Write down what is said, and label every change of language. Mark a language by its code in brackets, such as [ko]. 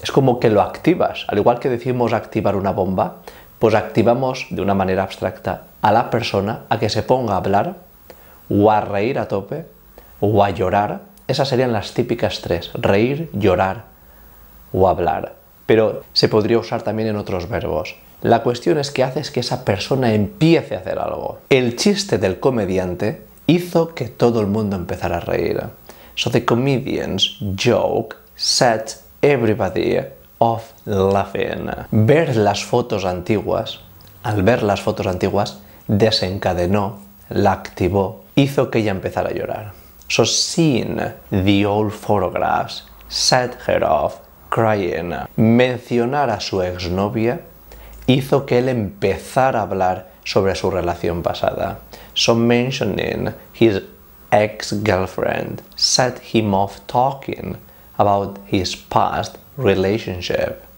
[es] Es como que lo activas. Al igual que decimos activar una bomba, pues activamos de una manera abstracta a la persona a que se ponga a hablar, o a reír a tope, o a llorar. Esas serían las típicas tres: reír, llorar o hablar. Pero se podría usar también en otros verbos. La cuestión es que haces que esa persona empiece a hacer algo. El chiste del comediante hizo que todo el mundo empezara a reír. [en] So the comedian's joke set everybody off laughing. [es] Ver las fotos antiguas, al ver las fotos antiguas, desencadenó, la activó, hizo que ella empezara a llorar. [en] So seeing the old photographs set her off crying. [es] Mencionar a su exnovia hizo que él empezara a hablar sobre su relación pasada. [en] So mentioning his ex-girlfriend set him off talking about his past relationship.